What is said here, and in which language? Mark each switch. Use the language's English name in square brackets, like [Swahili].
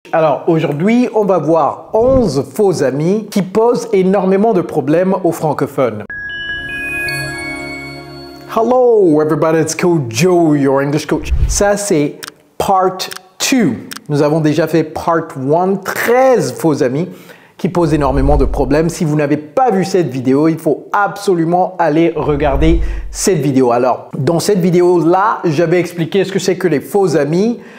[French] Alors aujourd'hui, on va voir 11 faux amis qui posent énormément de problèmes aux francophones. [English] Hello everybody, it's Coach Joe, your English coach. [French] Ça c'est part 2. Nous avons déjà fait part 1, 13 faux amis qui posent énormément de problèmes. Si vous n'avez pas vu cette vidéo, il faut absolument aller regarder cette vidéo. Alors, dans cette vidéo-là, je vais expliquer ce que c'est que les faux amis.